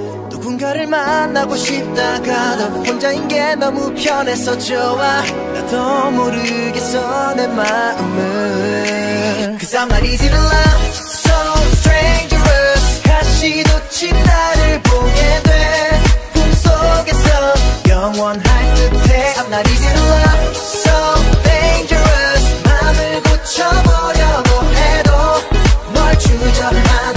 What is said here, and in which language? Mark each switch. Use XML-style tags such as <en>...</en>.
<ko>누군가를 만나고 싶다가도 혼자인 게 너무 편해서 좋아. 나도 모르겠어 내 마음을.</ko> <en>'Cause I'm not easy to love, so strangerous.</en> <ko>가시돋이 나를 보게 돼 꿈속에서 영원할 듯해.</ko> <en>I'm not easy to love, so dangerous.</en> <ko>마음을 고쳐보려고 해도 널 주저하는.</ko>